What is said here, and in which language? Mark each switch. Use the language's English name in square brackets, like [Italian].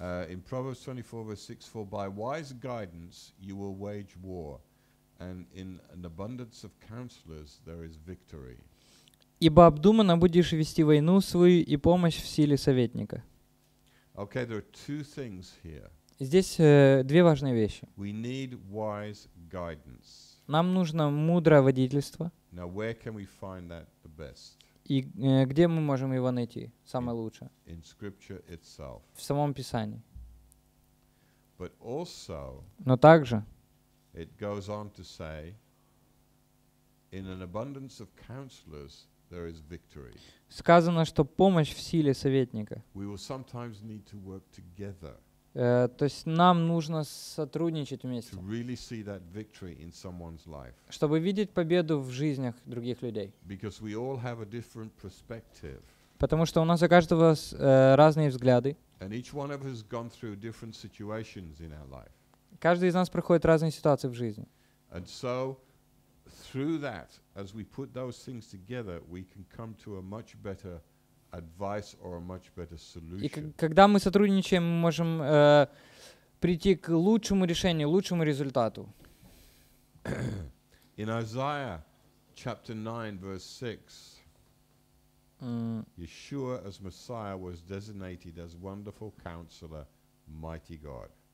[English] In Proverbs 24, verse 6, for by wise guidance you will wage war, and in an abundance of counselors there is victory. [Russian] Ибо обдуманно будешь вести войну свою и помощь в силе советника. [English] Okay, there are two things here. [Russian] Здесь две важные вещи. [English] We need wise guidance. [Russian] Нам нужно мудрое водительство. [English] Now, where can we find that the best? [Russian] И где мы можем его найти самое лучшее? [English] In scripture itself. [Russian] В самом Писании. [English] But also, [Russian] но также, [English] it goes on to say, in an abundance of counselors, there is victory. [Russian] Сказано, что помощь в силе советника. [English] We will sometimes need to work together. [Russian] То есть нам нужно сотрудничать вместе. [English] To really see that victory in someone's life. [Russian] Чтобы видеть победу в жизнях других людей. [English] Because we all have a different perspective. [Russian] Потому что у нас у каждого разные взгляды. [English] And each one of us has gone through different situations in our life. [Russian] Каждый из нас проходит разные ситуации в жизни. [English] And so through that, as we put those things together, we can come to a much better advice or a much better solution. [Russian] И когда мы сотрудничаем, мы можем прийти к лучшему решению, лучшему результату. [English] In Isaiah chapter 9, verse 6, Yeshua as Messiah was designated as Wonderful Counselor, Mighty God.